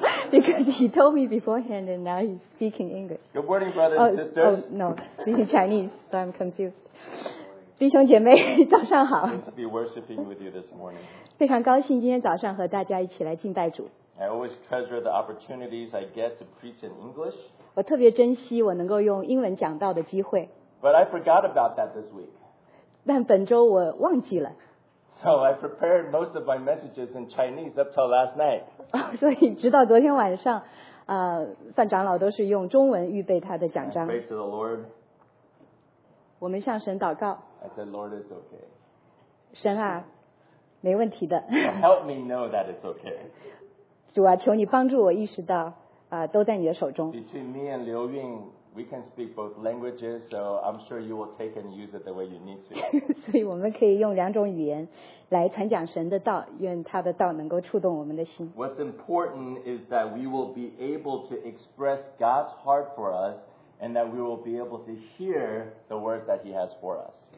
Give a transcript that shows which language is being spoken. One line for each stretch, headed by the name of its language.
English: Because he told me beforehand and now he's speaking English. Good morning, brothers and sisters. Oh, no, speaking Chinese, so I'm confused.
Chinese: 弟兄姐妹, 早上好。
English: Good to be worshiping with you this morning.
Chinese: 非常高兴今天早上和大家一起来敬拜主。
English: I always treasure the opportunities I get to preach in English.
Chinese: 我特别珍惜我能够用英文讲道的机会。
English: But I forgot about that this week.
Chinese: 但本周我忘记了。
English: So I prepared most of my messages in Chinese up till last night.
Chinese: 所以直到昨天晚上, 范长老都是用中文预备他的讲章。
English: Praise to the Lord.
Chinese: 我们向神祷告。
English: I said, Lord, it's okay.
Chinese: 神啊, 没问题的。
English: Help me know that it's okay.
Chinese: 主啊, 求你帮助我意识到, 都在你的手中。
English: Between me and Liu Yun, we can speak both languages, so I'm sure you will take and use it the way you need to.
Chinese: 所以我们可以用两种语言来传讲神的道, 愿他的道能够触动我们的心。
English: What's important is that we will be able to express God's heart for us and that we will be able to hear the word that he has for us.